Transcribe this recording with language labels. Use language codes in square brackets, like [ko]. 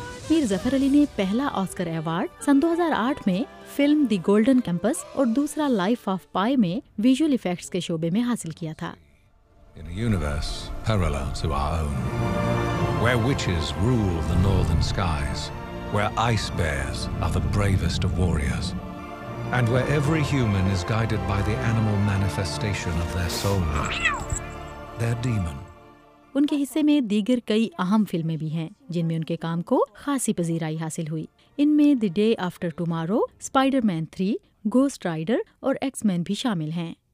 [ur] میر ظفر علی نے پہلا Oscar award سن 2008 میں فلم دی گولڈن کیمپس اور دوسرا لائف آف پائی میں ویژول ایفیکٹس کے شعبے میں حاصل کیا تھا. [en] In a universe parallel to our own, where witches rule the northern skies, where ice bears are the bravest of warriors, and where every human is guided by the animal manifestation of their soul, their demon. [ur] ان کے حصے میں دیگر کئی اہم فلمیں بھی ہیں جن میں ان کے کام کو خاصی پذیرائی حاصل ہوئی. ان میں the day after tomorrow, Spider Man 3، ghost rider اور ایکس مین بھی شامل ہیں.